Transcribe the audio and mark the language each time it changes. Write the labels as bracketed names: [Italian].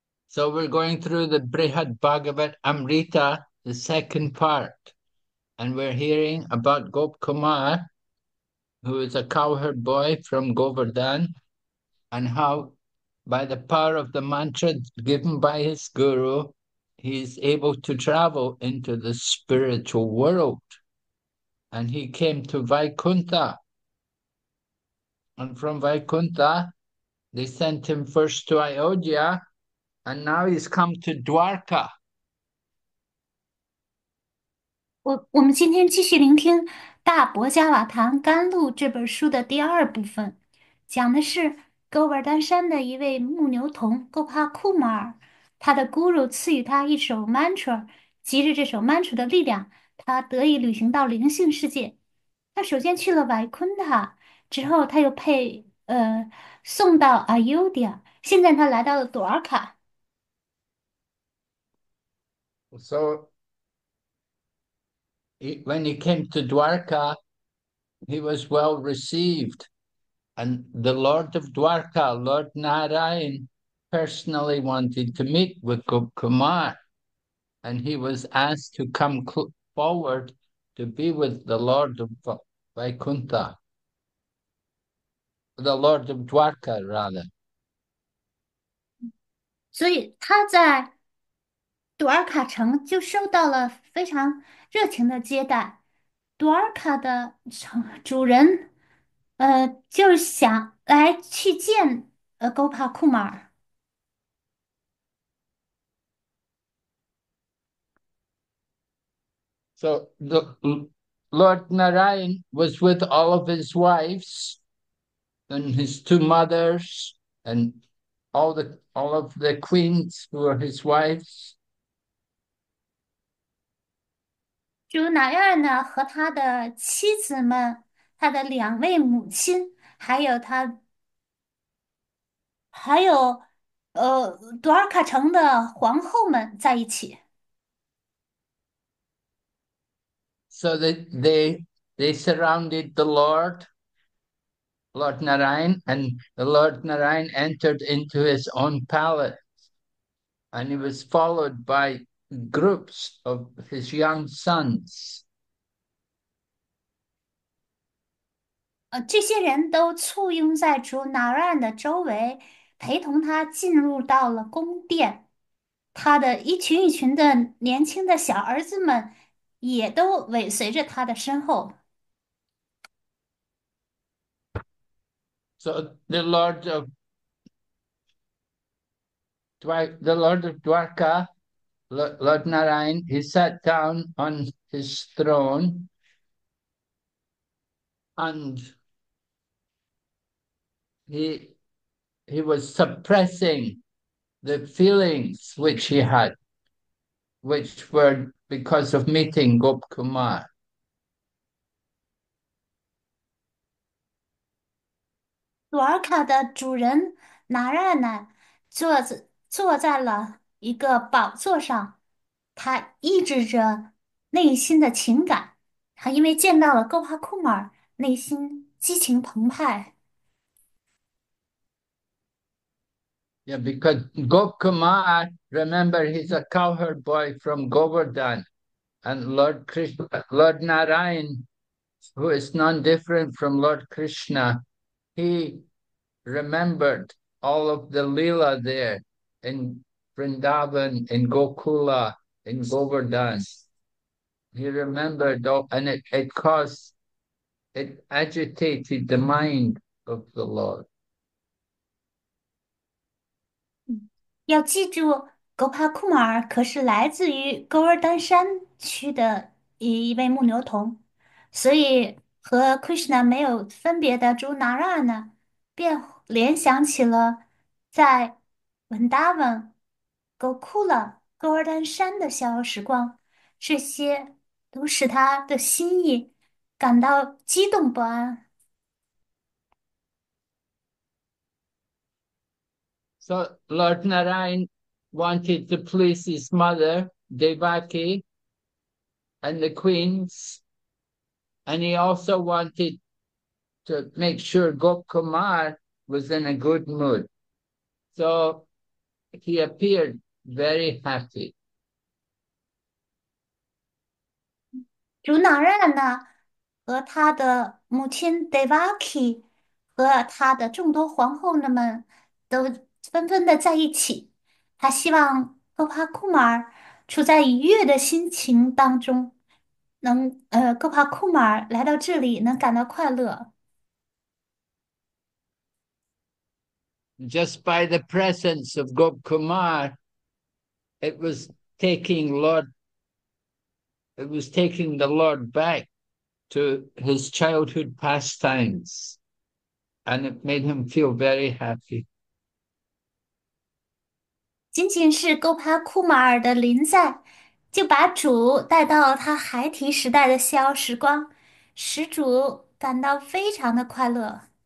[English] So we're going through the Brihad Bhagavat Amrita, the second part, and we're hearing about Gop Kumar, who is a cowherd boy from Govardhan, and how, by the power of the mantra given by his guru, he's able to travel into the spiritual world. And he came to Vaikuntha. And from Vaikuntha, they sent him first to Ayodhya, and now he's come to Dwarka. [Chinese] 我们今天继续聆听《大博伽瓦谈甘露》这本书的第二部分，讲的是哥尔丹山的一位牧牛童哥帕库马尔，他的 guru 赐予他一首 mantra，集着这首 mantra 的力量，他得以旅行到灵性世界。他首先去了维昆塔，之后他又被送到阿尤迪亚，现在他来到了朵尔卡。 [English] So when he came to Dwarka, he was well received. And the Lord of Dwarka, Lord Narayan, personally wanted to meet with Gop Kumar. And he was asked to come cl forward to be with the Lord of v Vaikuntha, the Lord of Dwarka, rather. [Chinese] 所以他在朵尔卡城就受到了非常热情的接待。朵尔卡的主人，就是想来去见勾帕库马尔。 [English] So the Lord Narayan was with all of his wives and his two mothers and all of the queens who were his wives. [Chinese] 就是哪样呢？和他的妻子们，他的两位母亲，还有朵尔卡城的皇后们在一起。 [English] So they surrounded the Lord Narayan, and the Lord Narayan entered into his own palace, and he was followed by groups of his young sons. [Chinese] 这些人都簇拥在主拿让的周围，陪同他进入到了宫殿。他的一群一群的年轻的小儿子们也都尾随着他的身后。 [English] So the Lord of Dwarka, Lord Narayan, he sat down on his throne, and he was suppressing the feelings which he had, which were because of meeting Gop Kumar. [Chinese] 朵尔卡的主人拿让呢，坐在了一个宝座上，他抑制着内心的情感，他因为见到了勾帕库马尔，内心激情澎湃。 [English] Yeah, because Gop Kumar, remember, he's a cowherd boy from Govardhan, and Lord Krishna, Lord Narayan who is none different from Lord Krishna. He remembered all of the Leela there in Vrindavan, in Gokula, in Govardhan. He remembered all, and it agitated the mind of the Lord. [Chinese] 要记住，格帕库玛尔可是来自于噶尔丹山区的一位牧牛童，所以和 Krishna 没有分别的朱拿拉呢，便联想起了在文达文、格库勒、噶尔丹山的逍遥时光，这些都使他的心意感到激动不安。 [English] So Lord Narayan wanted to please his mother, Devaki, and the queens, and he also wanted to make sure Gokumar was in a good mood. So he appeared very happy. [Chinese] 朱娜娜呢，和她的母亲 Devaki 和她的众多皇后们都纷纷的在一起。她希望戈帕库马尔处在愉悦的心情当中，能戈帕库马尔来到这里能感到快乐。 [English] Just by the presence of Gop Kumar, it was taking the Lord back to his childhood pastimes, and it made him feel very happy. [Chinese] 仅仅是戈帕库马尔的临在，就把主带到了他孩提时代的逍遥时光，使主感到非常的快乐。